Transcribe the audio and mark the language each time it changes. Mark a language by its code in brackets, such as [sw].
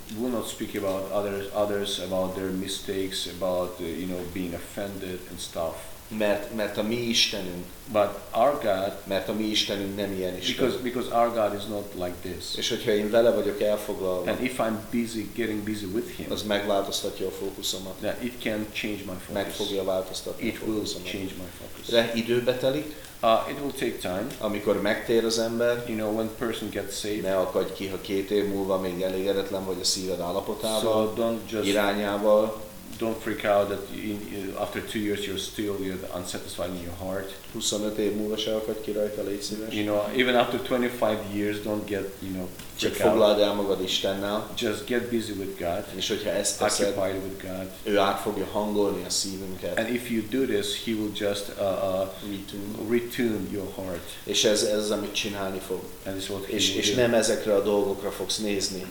[en] Will not speak about others about their mistakes, about you know being offended and stuff. [hu] Mert a mi Istenünk. [en] But our God. [hu] Mert a mi Istenünk nem ilyen Isten. [en] Because our God is not like this. [hu] És hogyha én vele vagyok elfoglalva. [en] And if I'm busy getting busy with him. [hu] Az megváltoztatja a fókuszomat. [en] Yeah, it can change my focus. [hu] Meg fogja változtatni a fókuszomat. [en] It will change my focus. [hu] De időbe telik. [en] It will take time. [hu] Amikor megtér az ember, [en] you know, when person gets saved, [hu] ne akadj ki, ha két év múlva még elégedetlen vagy a szíved állapotával, [en] so don't just, [hu] irányával. [en] Don't freak out that after 2 years you're still unsatisfied in your heart. [hu] 25 év múlva se akadj ki rajta, légy szíves. [en] You know, even after 25 years, don't get, you know, [hu] csak foglald el magad Istennel. [en] Just get busy with God. [hu] És hogyha ezt teszed, [en] occupied with God. [hu] Ő át fogja hangolni a szívünket. [en] And if you do this, he will just retune your heart. [hu] És ez amit csinálni fog. [en] And this is what [hu] és, [en] he [hu] és nem ezekre a dolgokra fogsz nézni.